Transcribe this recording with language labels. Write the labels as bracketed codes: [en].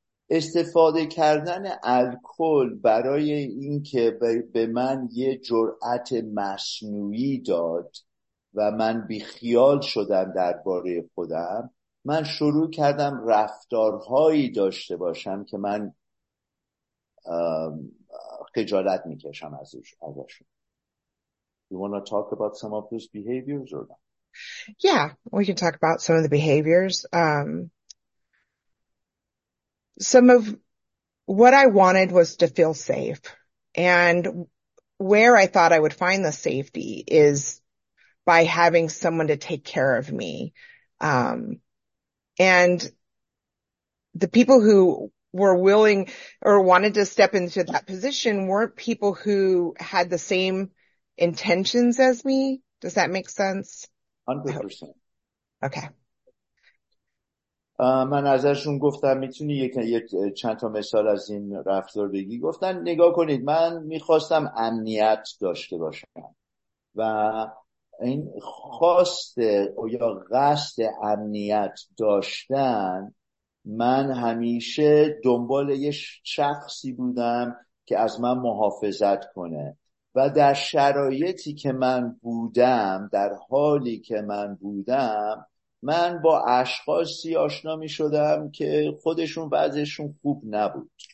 [fa] استفاده کردن الکل برای اینکه به من یه جرأت مصنوعی داد و من بیخیال شدم درباره خودم، من شروع کردم رفتارهایی داشته باشم که من خجالت میکشم ازشون. [en] You wanna talk about some of those behaviors or not? Yeah, we can talk about some of the behaviors. Some of what I wanted was to feel safe. And where I thought I would find the safety is by having someone to take care of me. And the people who were willing or wanted to step into that position weren't people who had the same intentions as me. Does that make sense? 100%. Okay. [fa] من ازشون گفتم میتونی یک چند تا مثال از این رفتار بگی؟ گفتن نگاه کنید، من میخواستم امنیت داشته باشم، و این خواست یا قصد امنیت داشتن، من همیشه دنبال یه شخصی بودم که از من محافظت کنه، و در شرایطی که من بودم، در حالی که من بودم، من با اشخاصی آشنا می شدم که خودشون وضعشون خوب نبود.